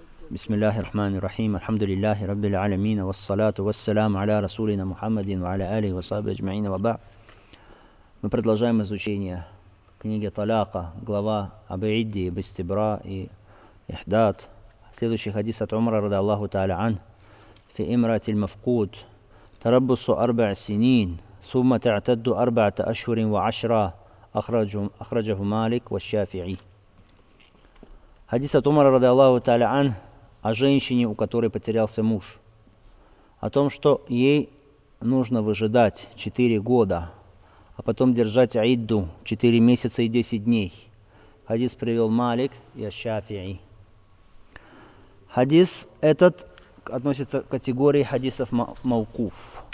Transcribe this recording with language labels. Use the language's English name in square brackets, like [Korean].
[Arabic] بسم الله الرحمن الرحيم الحمد لله رب العالمين والصلاة والسلام على رسولنا محمد وعلى آله وصحبه أجمعين وبعد. [Russian] Мы продолжаем изучение книги Талака, глава об Идде, об Истибра и Ихдат. Следующий хадис от Умара [Arabic] رضي الله تعالى عنه في إمرأة المفقود تربص أربع سنين ثم تعتد أربعة أشهر وعشرة أخرجه مالك والشافعي. [Russian] Хадис от Умара [Arabic] رضي الله تعالى عنه [Russian] о женщине, у которой потерялся муж, о том, что ей нужно выжидать 4 года, а потом держать Аидду 4 месяца и 10 дней. Хадис привел Малик и Аш-Шафии. Хадис этот относится к категории хадисов Маукуф.